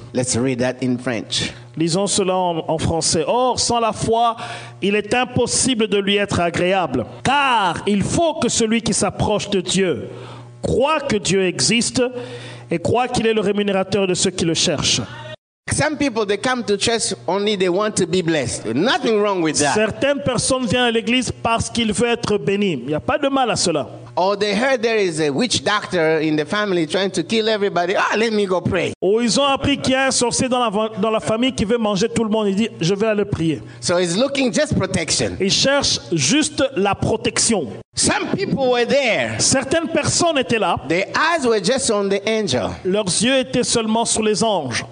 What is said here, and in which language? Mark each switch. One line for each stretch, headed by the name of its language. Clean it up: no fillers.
English: Let's read that in French.
French: Lisons cela en français. Or, sans la foi, il est impossible de lui être agréable. Car il faut que celui qui s'approche de Dieu croit que Dieu existe et croit qu'il est le rémunérateur de ceux qui le cherchent.
English: Some people they come to church only they want to be blessed. Nothing wrong with that.
French: Certaines personnes viennent à l'église parce qu'ils veulent être bénis. Il n'y a pas de mal à cela.
English: Or they heard there is a witch doctor in the family trying to kill everybody. Ah, let me go pray.
French: Ou ils ont appris qu'il y a un sorcier dans la famille qui veut manger tout le monde. Il dit, je vais aller prier.
English: So he's looking just protection.
French: Il cherche juste la protection.
English: Some people were there.
French: Certaines personnes étaient là.
English: Their eyes were just on the angel.
French: Leurs yeux étaient seulement sur les anges.